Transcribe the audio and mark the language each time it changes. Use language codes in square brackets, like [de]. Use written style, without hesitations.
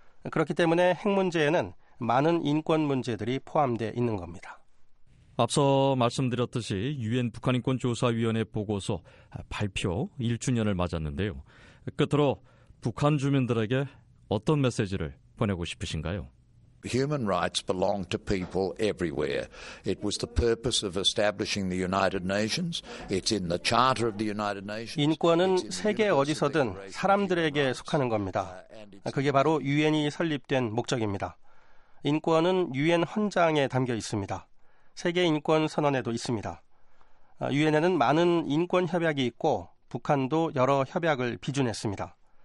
[ko] 그렇기 때문에 핵 문제에는 많은 인권 문제들이 포함되어 있는 겁니다. 앞서 말씀드렸듯이 유엔 북한인권조사위원회 보고서 발표 1주년을 맞았는데요. 끝으로 북한 주민들에게 어떤 메시지를 보내고 싶으신가요? [en] Human rights belong to people everywhere. It was the purpose of establishing the United Nations. It's in the Charter of the United Nations. [ko] 인권은 세계 어디서든 사람들에게 속하는 겁니다. 그게 바로 유엔이 설립된 목적입니다. 인권은 유엔 헌장에 담겨 있습니다. 세계 인권 선언에도 있습니다. 유엔에는 많은 인권 협약이 있고 북한도 여러 협약을 비준했습니다.